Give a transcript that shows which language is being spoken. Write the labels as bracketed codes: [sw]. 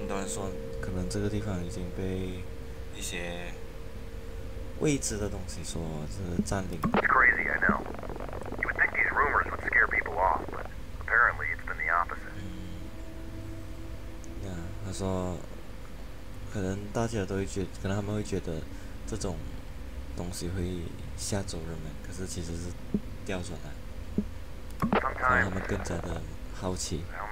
[zh] 说可能这个地方已经被一些未知的东西说是占领。 [en] It's crazy, I know. You would think these rumors would scare people off, but apparently it's been the opposite. [zh] 他说，可能大家都会觉得，可能他们会觉得这种东西会吓走人们，可是其实是调转来，让他们更加的好奇。